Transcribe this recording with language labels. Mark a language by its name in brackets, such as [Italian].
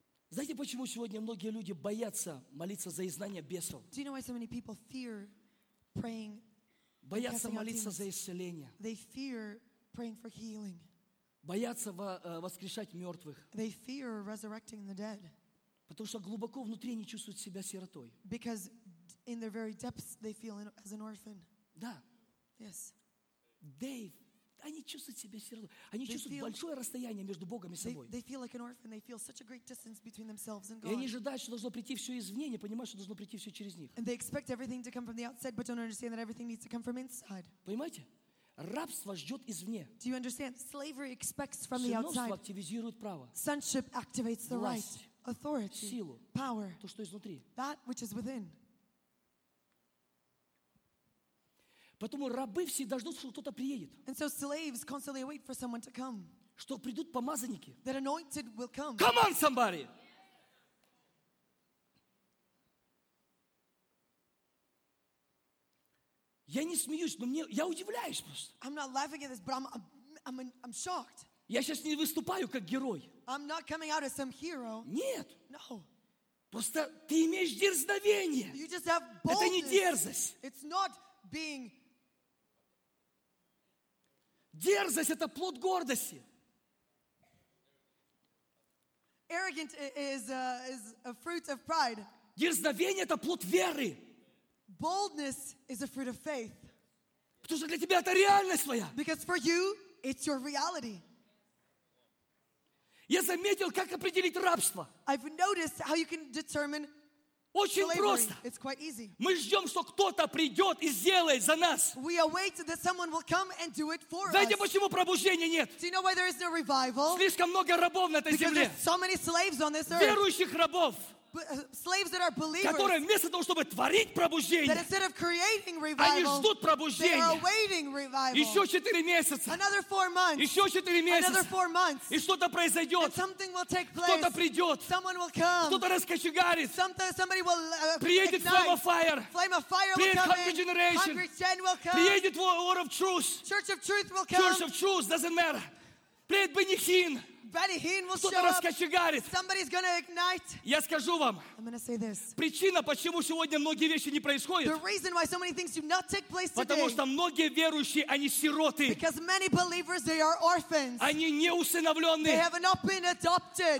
[Russian] Знаете, почему сегодня многие люди боятся молиться за изгнание бесов? [English] Do you know why so many people fear praying? [Russian] Боятся молиться за исцеление. [English] They fear praying for healing. [Russian] Боятся воскрешать мертвых. [English] They fear resurrecting the dead. [Russian] Потому что глубоко внутри они чувствуют себя сиротой. [English] Because in their very depths they feel as an orphan. [Russian] Да. [English] Yes. [Russian] Dave, они чувствуют себя сиротой. Они чувствуют большое расстояние между Богом и собой. [English] They feel like an orphan. They feel such a great distance between themselves and God. [Russian] И они ожидают, что должно прийти все извне, не понимают, что должно прийти все через них. [English] And they expect everything to come from the outside, but don't understand that everything needs to come from inside. [Russian] Понимаете? Рабство ждет извне. [English] Do you understand? Slavery expects from the outside. [Russian] Сыновство активизирует право. [English] Sonship activates the right. Authority. [Russian] Силу. [English] Power. [Russian] То, что изнутри. [English] That which is within. [Russian] Поэтому рабы всегда ждут, что кто-то приедет. [English] And so slaves constantly wait for someone to come. [Russian] Что придут помазанники. [English] That anointed will come. Come on, somebody! [Russian] Я не смеюсь, но мне я удивляюсь просто. [English] I'm not laughing at this, but I'm shocked. [Russian] Я сейчас не выступаю как герой. [English] I'm not coming out as some hero. [Russian] Нет. [English] No. [Russian] Просто ты имеешь дерзновение. [English] You just have boldness. [Russian] Это не дерзость. [English] It's not being. [Russian] Дерзость это плод гордости. [English] Arrogant is a fruit of pride. [Russian] Дерзновение это плод веры. [English] Boldness is a fruit of faith. [Russian] Потому что для тебя это реальность твоя. [English] Because for you, it's your reality. [Russian] Я заметил, как определить рабство. [English] I've noticed how you can determine. [Russian] Очень [English] slavery. [Russian] Просто. [English] It's quite easy. [Russian] Мы ждем, что кто-то придет и сделает за нас. [English] We await that someone will come and do it for [Russian] знаете, [English] us. [Russian] Знаете, почему пробуждения нет? [English] Do you know why there is no revival? [Russian] Слишком много рабов на этой [English] Because [Russian] земле. [English] There's so many slaves on this earth. [Russian] Верующих рабов. [English] Slaves that are believers, [Russian] которые вместо того, чтобы творить пробуждение, [English] that instead of creating revival, [Russian] они ждут пробуждения. [English] They are awaiting revival. [Russian] Еще 4 месяца. [English] Another 4 months. [Russian] Еще 4 месяца. [English] Another 4 months. [Russian] И что-то произойдет. [English] And something will take place. [Russian] Кто-то придет. [English] Someone will come. [Russian] Кто-то раскочегарит. [English] Somebody will [Russian] приедет [English] ignite. Flame of fire. Flame of fire will [Russian] приедет [English] come. Hungry generation. Hungry Gen will come. [Russian] Приедет [English] War of Truth. Church of Truth will come. Church of Truth doesn't matter. [Russian] Приедет Бенни Хин. [English] Betty Heen will [Russian] кто-то раскочегарит. [English] Somebody's gonna ignite. [Russian] Я скажу вам. [English] I'm gonna say this. [Russian] Причина, почему сегодня многие вещи не происходят. [English] The reason why so many things do not take place today. [Russian] Потому что многие верующие, они сироты. [English] Because many believers, they are orphans. [Russian] Они не усыновленные. [English] They have not been adopted.